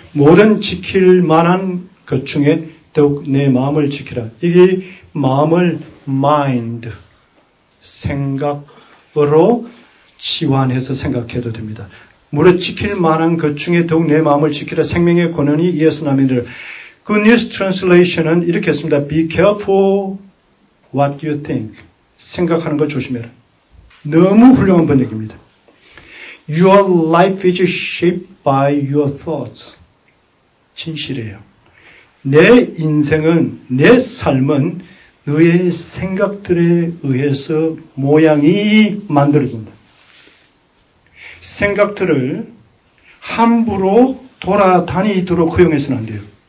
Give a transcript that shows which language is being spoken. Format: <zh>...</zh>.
<ko>모든 지킬만한 것 중에 더욱 내 마음을 지키라. 이게 마음을 mind, 생각으로 치환해서 생각해도 됩니다. 모든 지킬만한 것 중에 더욱 내 마음을 지키라. 생명의 근원이 이에서 남이니라. Good news translation은 이렇게 했습니다.</ko> <en>Be careful what you think.</en> <ko>생각하는 거 조심해라. 너무 훌륭한 번역입니다.</ko> <en>Your life is shaped by your thoughts.</en> <ko>진실이에요. 내 인생은, 내 삶은 너의 생각들에 의해서 모양이 만들어진다. 생각들을 함부로 돌아다니도록 허용해서는 안 돼요.</ko>